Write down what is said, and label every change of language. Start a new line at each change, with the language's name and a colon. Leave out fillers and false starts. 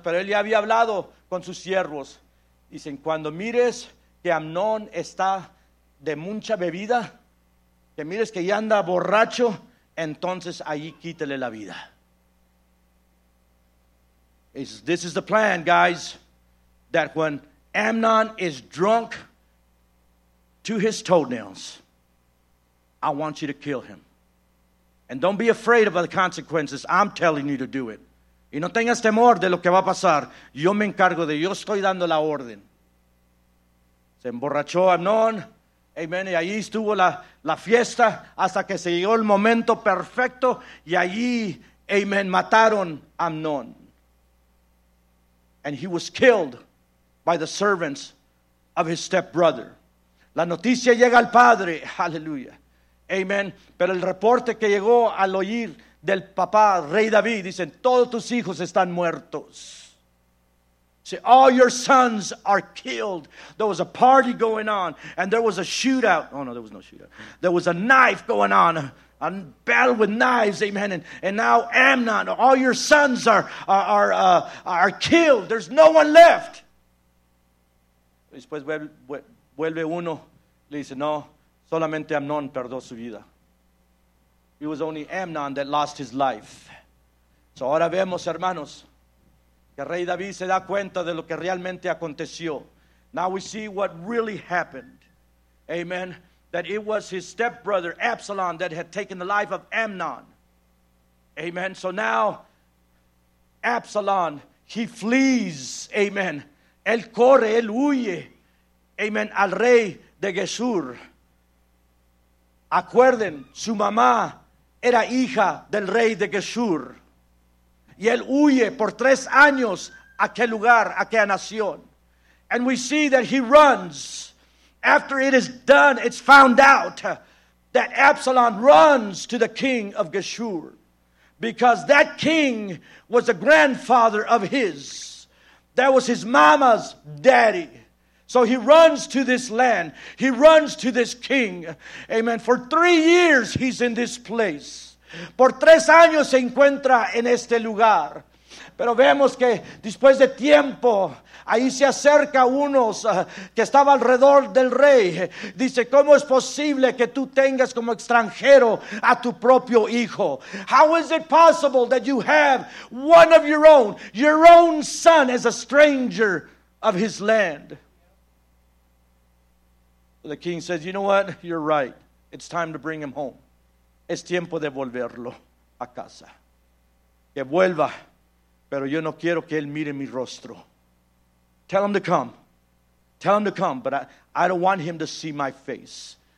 Spanish: Pero él ya había hablado con sus siervos. Dicen, cuando mires que Amnón está de mucha bebida, que mires que ya anda borracho, entonces allí quítele la vida.
English: This is the plan, guys, that when Amnon is drunk to his toenails, I want you to kill him. And don't be afraid of the consequences. I'm telling you to do it.
Spanish: Y no tengas temor de lo que va a pasar. Yo me encargo de, yo estoy dando la orden. Se emborrachó Amnon. Amen. Y allí estuvo la fiesta hasta que se llegó el momento perfecto. Y allí, amen, mataron Amnon.
English: And he was killed by the servants of his stepbrother.
Spanish: La noticia llega al padre. Hallelujah. Amen. Pero el reporte que llegó al oír del papá, Rey David, dicen, todos tus hijos están muertos.
English: Say, all your sons are killed. There was a party going on, and there was a shootout. Oh, no, there was no shootout. There was a knife going on. A battle with knives, amen. And now Amnon, all your sons are killed. There's no one left.
Spanish: Después vuelve uno, le dice, no, solamente Amnon perdió su vida.
English: It was only Amnon that lost his life. So
Spanish: ahora vemos, hermanos, El rey David se da cuenta de lo que realmente aconteció.
English: Now we see what really happened. Amen. That it was his stepbrother Absalom that had taken the life of Amnon. Amen. So now Absalom, he flees. Amen.
Spanish: Él corre, él huye. Amen. Al rey de Geshur. Acuerden, su mamá era hija del rey de Geshur. Y él huye por 3 años a aquel lugar, a aquella nación.
English: And we see that he runs. After it is done, it's found out that Absalom runs to the king of Geshur. Because that king was a grandfather of his. That was his mama's daddy. So he runs to this land. He runs to this king. Amen. For 3 years he's in this place.
Spanish: Por 3 años se encuentra en este lugar. Pero vemos que después de tiempo, ahí se acerca unos que estaba alrededor del rey. Dice, ¿cómo es posible que tú tengas como extranjero a tu propio hijo?
English: How is it possible that you have one of your own son as a stranger of his land? The king says, you know what? You're right. It's time to bring him home.
Spanish: Es tiempo de volverlo a casa. Que vuelva, pero yo no quiero que él mire mi rostro.
English: Tell him to come. Tell him to come, but I don't want him to see my face.